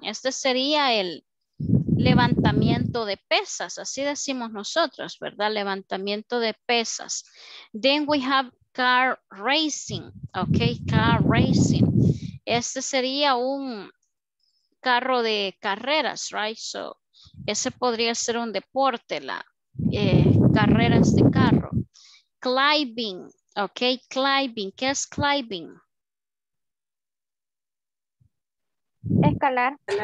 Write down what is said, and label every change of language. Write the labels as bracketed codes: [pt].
[es] Este sería el levantamiento de pesas, así decimos nosotros, ¿verdad? Levantamiento de pesas. [en] Then we have car racing, ok, car racing. [es] Este sería un carro de carreras, right? So, ese podría ser un deporte, la carreras de carro. [en] Climbing, ok, climbing. [es] ¿Qué es [en] climbing? [es] Escalar.